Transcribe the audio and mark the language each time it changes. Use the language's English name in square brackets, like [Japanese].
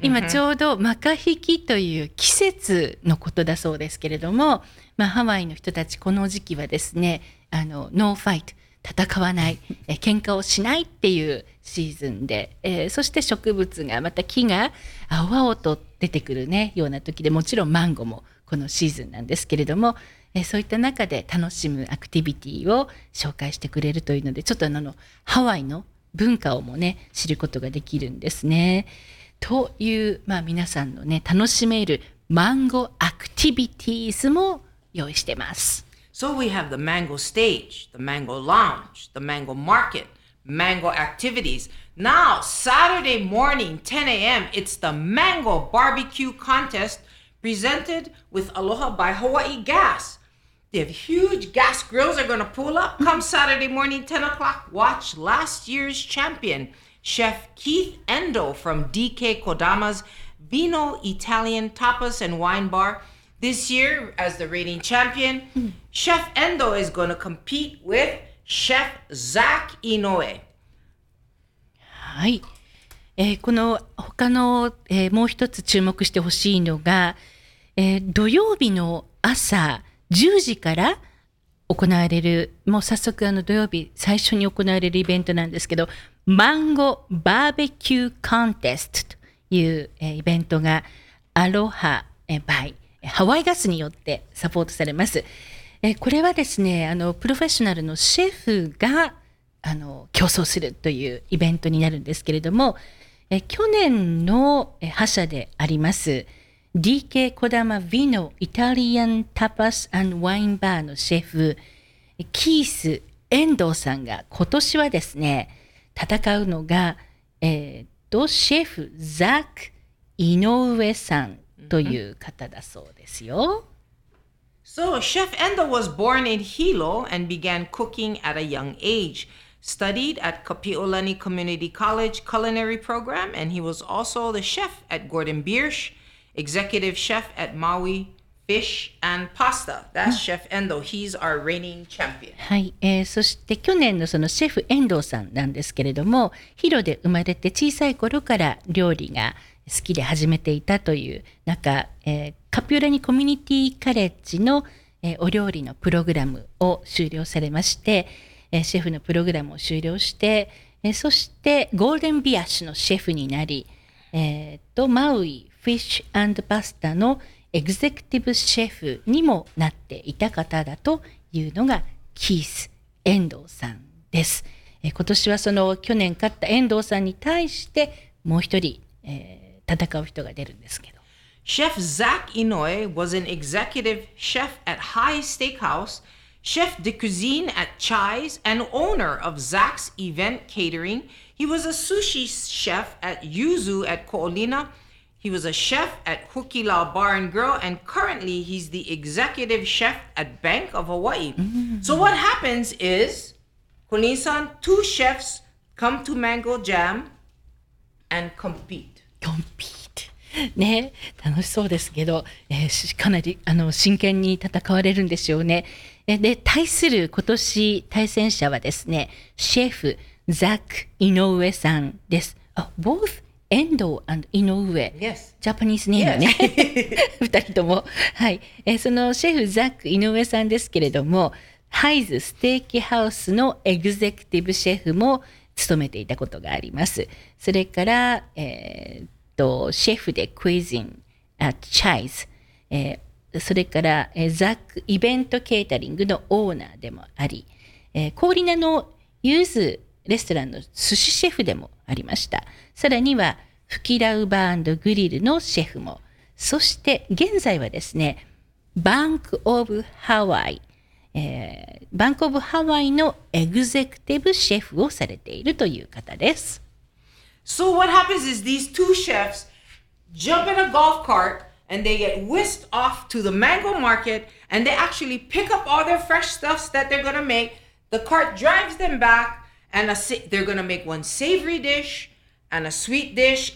[Japanese] 今ちょうど makahiki という季節のことだそうですけれども、まあ、ハワイの人たちこの時期はですね、あの、ノーファイト、戦わない、喧嘩をしないっていうシーズンで、そして植物が、また木が青々と出てくるね、ような時で、もちろんマンゴーもこのシーズンなんですけれども、そういった中で楽しむアクティビティを紹介してくれるというので、ちょっとあの、ハワイの文化をもね、知ることができるんですね。という、まあ皆さんのね、楽しめるマンゴーアクティビティーズも用意してます。 [English] So we have the mango stage, the mango lounge, the mango market, mango activities. Now, Saturday morning, 10 a.m., it's the mango barbecue contest presented with Aloha by Hawaii Gas. They have huge gas grills are going to pull up. Come Saturday morning, 10 o'clock, watch last year's champion, Chef Keith Endo from DK Kodama's Vino Italian Tapas and Wine Bar. This year, as the reigning champion, Chef Endo is going to compete with Chef Zach Inoue. [Japanese] はい、この他の、もう一つ注目してほしいのが、土曜日の朝10時から行われる、もう早速あの土曜日最初に行われるイベントなんですけど、マンゴーバーベキューコンテストという、イベントがアロハ、バイハワイガスによってサポートされます。これはですね、あのプロフェッショナルのシェフがあの競争するというイベントになるんですけれども、去年の覇者であります DK Kodama Vino Italian Tapas and Wine Bar のシェフキース・エンドーさんが今年はですね、戦うのが、シェフザック・イノウエさんという方だそうですよ。 [English] So, Chef Endo was born in Hilo and began cooking at a young age. Studied at Kapi'olani Community College Culinary Program, and he was also the chef at Gordon Biersch, executive chef at Maui Fish and Pasta. That's Chef Endo. He's our reigning champion. [Japanese] はい、そして去年のそのシェフ遠藤さんなんですけれども、Hiloで生まれて小さい頃から料理が好きで始めていたという中、カピオラニコミュニティカレッジの、お料理のプログラムを修了されまして、シェフのプログラムを修了して、そしてゴールデンビアシュのシェフになり、マウイフィッシュ&パスタのエグゼクティブシェフにもなっていた方だというのがキース・エンドーさんです。今年はその去年勝ったエンドーさんに対してもう一人、戦う人が出るんですけど。 [English] Chef Zach Inoue was an executive chef at High Steakhouse, chef de cuisine at Chai's, and owner of Zach's Event Catering. He was a sushi chef at Yuzu at Ko'olina. He was a chef at Hukilau Bar and Grill, and currently he's the executive chef at Bank of Hawaii. So what happens is, Kolin-san, two chefs come to Mango Jam and compete. Compete. [Japanese] ね、楽しそうですけど、かなりあの真剣に戦われるんでしょうね。で、対する今年対戦者はですね、シェフザック・イノウエさんです。 [English] あ、both Endo and Inoue。 Yes. Japanese name ね。 Yes. [Japanese] 二人とも。はい。そのシェフザック・イノウエさんですけれども、ハイズ・ステーキハウスのエグゼクティブシェフも勤めていたことがあります。それから、シェフでクイジン at Chai's、それから、ザックイベントケータリングのオーナーでもあり、コーリナのユーズレストランの寿司シェフでもありました。さらにはフキラウバー&グリルのシェフも、そして現在はですね、バンクオブハワイ、バンクオブハワイのエグゼクティブシェフをされているという方です。 [English] So what happens is these two chefs jump in a golf cart and they get whisked off to the mango market and they actually pick up all their fresh stuffs that they're gonna make. The cart drives them back, and they're going to make one savory dish and a sweet dish.